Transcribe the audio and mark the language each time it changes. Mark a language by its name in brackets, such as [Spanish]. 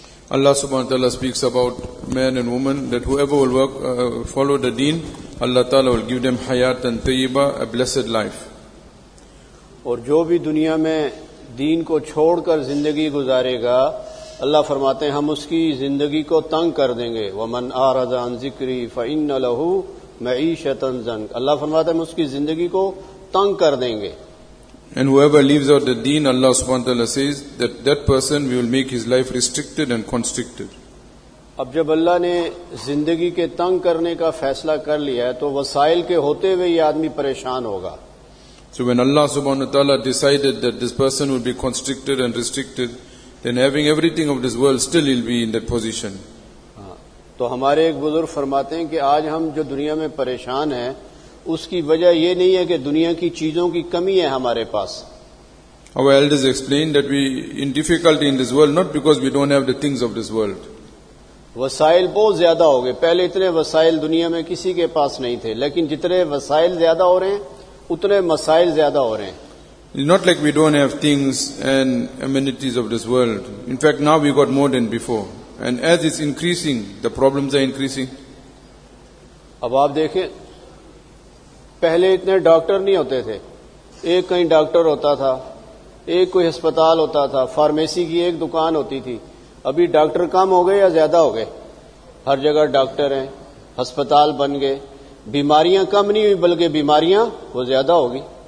[English] Allah Subhanahu wa Ta'ala speaks about man and woman that whoever will work follow the deen, Allah Ta'ala will give them hayatan tayyiba, a blessed life. [Urdu] اور جو بھی دنیا میں دین کو چھوڑ کر زندگی گزارے گا اللہ فرماتے ہیں ہم اس کی زندگی کو تنگ کر دیں گے. [Arabic] وَمَنْ أَعْرَضَ عَن ذِكْرِي فَإِنَّ لَهُ مَعِيشَةً ضَنكًا, [Urdu] اللہ فرماتے ہیں ہم اس کی زندگی کو تنگ کر دیں گے. [English] And whoever leaves out the deen, Allah Subhanahu wa Ta'ala says that that person we will make his life restricted and constricted. [Urdu] اب جب اللہ نے زندگی کے تنگ کرنے کا فیصلہ کر لیا ہے تو وسائل کے ہوتے ہوئے یہ آدمی پریشان ہوگا. [English] So when Allah subhanahu wa ta'ala decided that this person would be constricted and restricted, then having everything of this world, still he'll be in that position. [Urdu] تو ہمارے ایک بزرگ فرماتے ہیں کہ آج ہم جو دنیا میں پریشان ہیں اس کی وجہ یہ نہیں ہے کہ دنیا کی چیزوں کی کمی ہے ہمارے پاس. [English] Our elders explained that we in difficulty in this world not because we don't have the things of this world. [Urdu] وسائل بہت زیادہ ہو گئے, پہلے اتنے وسائل دنیا میں کسی کے پاس نہیں تھے, لیکن جتنے وسائل زیادہ ہو رہے ہیں اتنے مسائل زیادہ ہو رہے ہیں. [English] It's not like we don't have things and amenities of this world. In fact, now we got more than before. And as it's increasing, the problems are increasing. [Urdu] اب آپ دیکھیں پہلے اتنے ڈاکٹر نہیں ہوتے تھے, ایک کہیں ڈاکٹر ہوتا تھا, ایک کوئی ہسپتال ہوتا تھا, فارمیسی کی ایک دکان ہوتی تھی. ابھی ڈاکٹر کم ہو گئے یا زیادہ ہو گئے؟ ہر جگہ ڈاکٹر ہیں, ہسپتال بن گئے, بیماریاں کم نہیں ہوئی بلکہ بیماریاں وہ زیادہ ہو گئی.